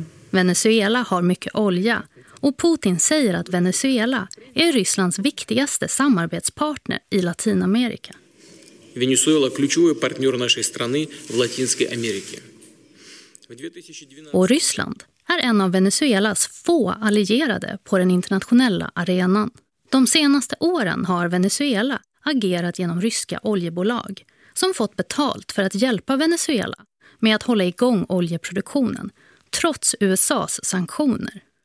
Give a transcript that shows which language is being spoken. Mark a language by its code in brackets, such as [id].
[sv] Venezuela har mycket olja och Putin säger att Venezuela är Rysslands viktigaste samarbetspartner i Latinamerika. [ru] Венесуэла – ключевой партнер нашей страны в Латинской Америке. [sv] Och Ryssland är en av Venezuelas få allierade på den internationella arenan. De senaste åren har Venezuela agerat genom ryska oljebolag som fått betalt för att hjälpa Venezuela med att hålla igång oljeproduktionen trots USA:s sanktioner.